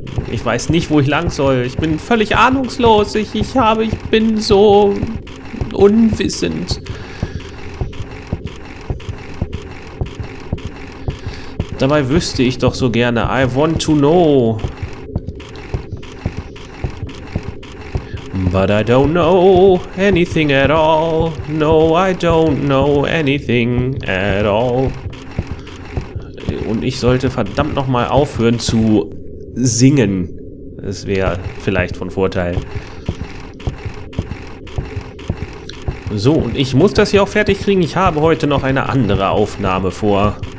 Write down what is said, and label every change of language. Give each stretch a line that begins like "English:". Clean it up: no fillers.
German: Ich weiß nicht, wo ich lang soll. Ich bin völlig ahnungslos. Ich bin so unwissend. Dabei wüsste ich doch so gerne.
English: I want to know. But I don't know anything at all. No, I don't know anything at all.
German: Und ich sollte verdammt nochmal aufhören zu singen. Das wäre vielleicht von Vorteil. So, und ich muss das hier auch fertig kriegen. Ich habe heute noch eine andere Aufnahme vor.